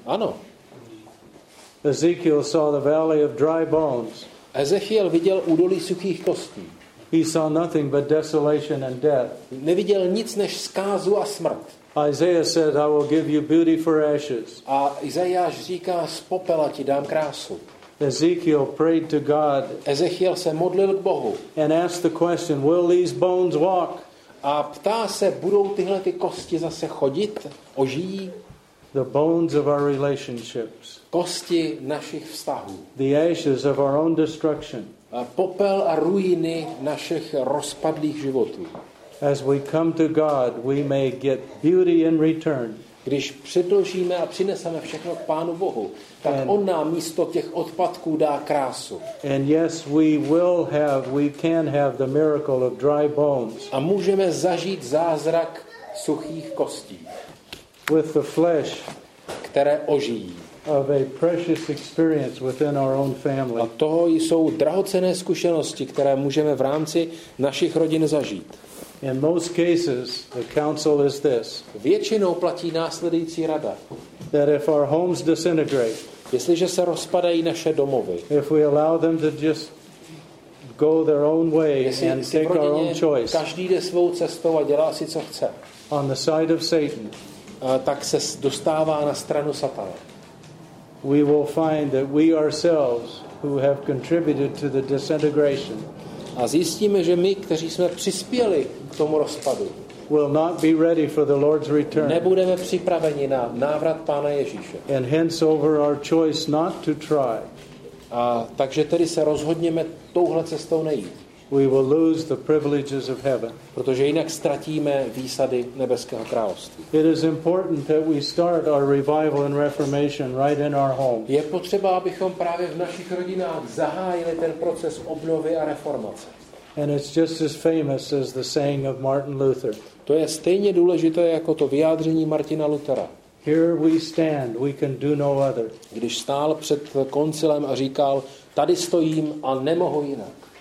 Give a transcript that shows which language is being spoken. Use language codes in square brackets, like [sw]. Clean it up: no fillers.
[cs] Ano. [en] Ezekiel saw the valley of dry bones. [cs] Ezechiel viděl údolí suchých kostí. [en] He saw nothing but desolation and death. [cs] Neviděl nic než skázu a smrt. [en] Isaiah said, I will give you beauty for ashes. [cs] A Izajáš říká, z popela ti dám krásu. [en] Ezekiel prayed to God. [cs] Ezechiel se modlil k Bohu. [en] And asked the question, will these bones walk? [cs] A ptá se, budou tyhle ty kosti zase chodit, ožijí? [en] The bones of our relationships. [cs] Kosti našich vztahů. [en] The ashes of our own destruction. [cs] A popel a ruiny našich rozpadlých životů. [en] As we come to God, we may get beauty in return. [cs] Když předložíme a přineseme všechno k Pánu Bohu, tak and, on nám místo těch odpadků dá krásu. [en] And yes, we can have the miracle of dry bones. [cs] A můžeme zažít zázrak suchých kostí. [en] With the flesh, [cs] které ožijí. [en] Of a precious experience within our own family. [cs] A toho jsou drahocenné zkušenosti, které můžeme v rámci našich rodin zažít. [en] In most cases, the counsel is this. [cs] Většinou platí následující rada. [en] That if our homes disintegrate, [cs] jestliže se rozpadají naše domovy, [en] if we allow them to just go their own way and take our own choice, [cs] každý jde svou cestou a dělá si co chce, [en] on the side of Satan, [cs] tak se dostává na stranu Satana. [en] We will find that we ourselves who have contributed to the disintegration. [cs] A zjistíme, že my, kteří jsme přispěli k tomu rozpadu, [en] will not be ready for the Lord's return. [cs] Nebudeme připraveni na návrat Pána Ježíše. [en] And hence over our choice not to try. [cs] A takže tedy se rozhodněme touhle cestou nejít. [en] We will lose the privileges of heaven. [cs] Protože jinak ztratíme výsady nebeského království. [en] It is important that we start our revival and reformation right in our home. [cs] Je potřeba, abychom právě v našich rodinách zahájili ten proces obnovy a reformace. [en] And it's just as famous as the saying of Martin Luther. [cs] To je stejně důležité jako to vyjádření Martina Lutera. [en] Here we stand, we can do no other. [cs] Když stál před koncilem a říkal, tady stojím a nemohu jinak.